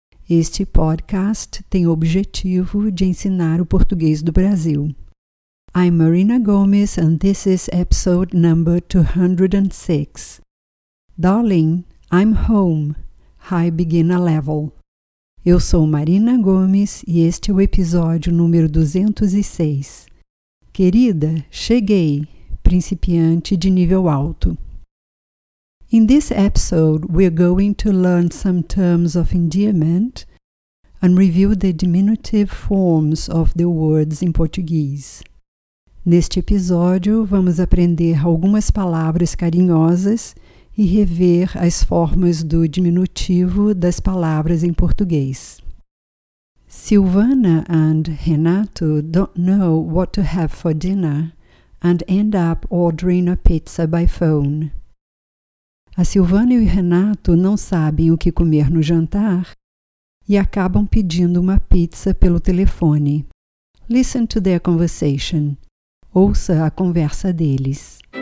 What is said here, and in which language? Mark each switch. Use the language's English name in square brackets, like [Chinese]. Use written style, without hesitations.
[Portuguese] Este podcast tem o objetivo de ensinar o português do Brasil. [English] I'm Marina Gomes and this is episode number 206. Darling, I'm home. High beginner level. [Portuguese] Eu sou Marina Gomes e este é o episódio número 206. Querida, cheguei, principiante de nível alto. [English] In this episode, we're going to learn some terms of endearment and review the diminutive forms of the words in Portuguese. [Portuguese] Neste episódio, vamos aprender algumas palavras carinhosas e rever as formas do diminutivo das palavras em português. [English] Silvana and Renato don't know what to have for dinner and end up ordering a pizza by phone. [Portuguese] A Silvana e o Renato não sabem o que comer no jantar e acabam pedindo uma pizza pelo telefone. [English] Listen to their conversation. [Portuguese] Ouça a conversa deles.